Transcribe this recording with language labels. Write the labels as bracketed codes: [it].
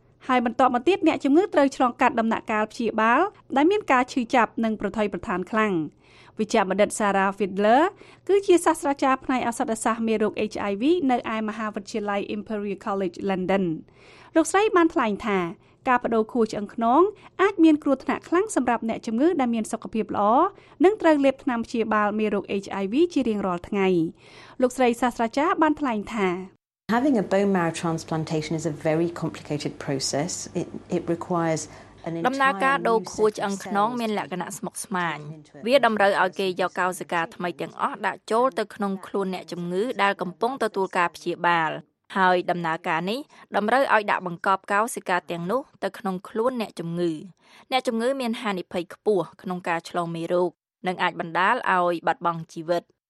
[km] ហើយបន្ទាប់មកទៀតអ្នកជំងឺត្រូវឆ្លងកាត់ដំណាក់កាលព្យាបាលដែលមានការឈឺចាប់និងប្រថុយប្រថានខ្លាំងវិជ្ជាបណ្ឌិត Sarah Fiedler គឺជាសាស្ត្រាចារ្យផ្នែកអសន្តិសុខមេរោគ HIV នៅឯមហាវិទ្យាល័យ Imperial College London លោកស្រីបានថ្លែងថាការបដូរខួរឆ្អឹងខ្នងអាចមានគ្រោះថ្នាក់ខ្លាំងសម្រាប់អ្នកជំងឺដែលមានសុខភាពល្អនិងត្រូវលេបថ្នាំព្យាបាលមេរោគ HIV ជារៀងរាល់ថ្ងៃលោកស្រីសាស្ត្រាចារ្យបានថ្លែងថា [en] Having a bone marrow transplantation is a very complicated process it requires [km] ដំណើរការដូរខួរឆ្អឹងខ្នងមានលក្ខណៈស្មុគស្មាញវាតម្រូវឲ្យគេយកកោសិកាថ្មីទាំងអស់ដាក់ចូលទៅក្នុងខ្លួនអ្នកជំងឺដែលកំពុងទទួលការព្យាបាលហើយដំណើរការនេះតម្រូវឲ្យដាក់បង្កប់កោសិកាទាំងនោះទៅក្នុងខ្លួនអ្នកជំងឺអ្នកជំងឺមានហានិភ័យខ្ពស់ក្នុងការឆ្លងមេរោគនិងអាចបណ្តាលឲ្យបាត់បង់ជីវិត